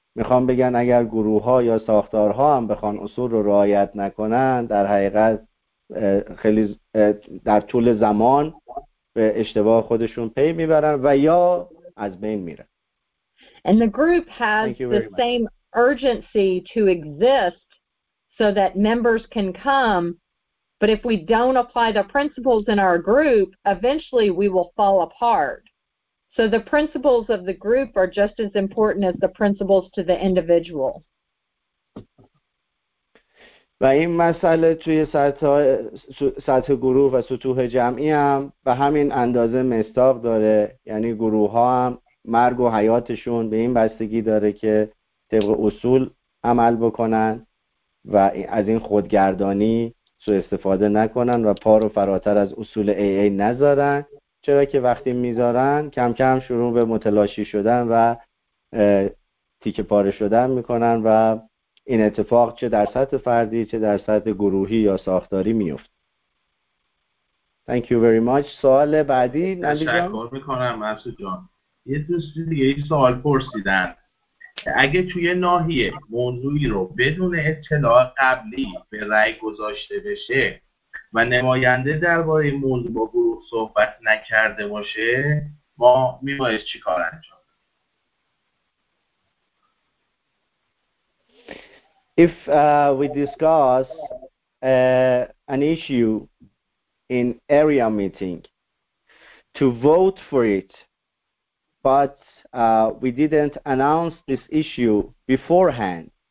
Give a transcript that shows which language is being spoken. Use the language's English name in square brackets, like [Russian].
[Persian] میخوام بگن اگر گروه ها یا ساختارها هم بخوان اصول رو رعایت نکنن، در حقیقت خیلی در طول زمان به اشتباه خودشون پی میبرن و یا از بین میرن. [English] And the group has the same urgency to exist so that members can come. But if we don't apply the principles in our group, eventually we will fall apart. So the principles of the group are just as important as the principles to the individual. [Persian] و این مسئله توی سطح گروه و سطوح جمعی هم به همین اندازه مصداق داره. یعنی گروه ها هم مرگ و حیاتشون به این بستگی داره که طبق اصول عمل بکنن و از این خودگردانی سو استفاده نکنن و پا رو فراتر از اصول AA نذارن، چرا که وقتی میذارن کم کم شروع به متلاشی شدن و تیک پاره شدن میکنن و این اتفاق چه در سطح فردی چه در سطح گروهی یا ساختاری میفته. [English] Thank you very much. [Persian] سوال بعدی نمیدونم. تشکر میکنم مرسی جان. یه دوستی دیگه یه سوال پرسیدن، اگه توی ناحیه موضوعی رو بدون اطلاع قبلی به رأی گذاشته بشه و نماینده درباره این موضوع با گروه صحبت نکرده باشه، ما میباید چی کار انجام بدیم؟ [English] If we discuss an issue in area meeting to vote for it, but we didn't announce this issue beforehand,